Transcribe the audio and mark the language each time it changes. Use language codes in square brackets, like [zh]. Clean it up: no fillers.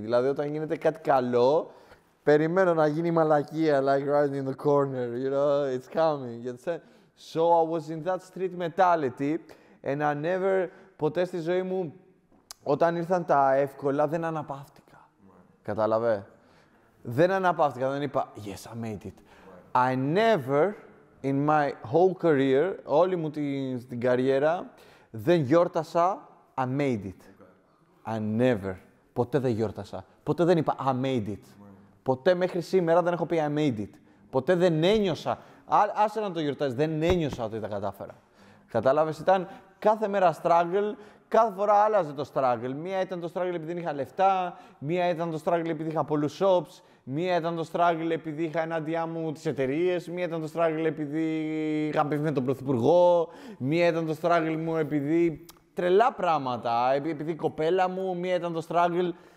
[el] Δηλαδή όταν γίνεται κάτι καλό, περιμένω να γίνει μαλακία, [en] like right in the corner, you know, it's coming. So I was in that street mentality and I never, [el] ποτέ στη ζωή μου, όταν ήρθαν τα εύκολα, δεν αναπαύτηκα. Κατάλαβε. Δεν αναπαύτηκα, δεν είπα, [en] yes, I made it. I never... In my whole career, [el] όλη μου την καριέρα, δεν γιόρτασα, [en] I made it. Okay. I never. [el] Ποτέ δεν γιόρτασα. Ποτέ δεν είπα, [en] I made it. [el] Yeah. Ποτέ μέχρι σήμερα δεν έχω πει, I made it. Ποτέ δεν ένιωσα. Άσε να το γιορτάσεις, δεν ένιωσα ότι τα κατάφερα. Κατάλαβες, ήταν κάθε μέρα struggle, κάθε φορά άλλαζε το struggle. Μία ήταν το struggle επειδή είχα λεφτά, μία ήταν το struggle επειδή είχα πολλούς shops, μία ήταν το struggle επειδή είχα ενάντια μου τις εταιρείες, μία ήταν το struggle επειδή είχα πει με τον πρωθυπουργό, μία ήταν το struggle μου επειδή τρελά πράγματα, επειδή η κοπέλα μου, μία ήταν το struggle.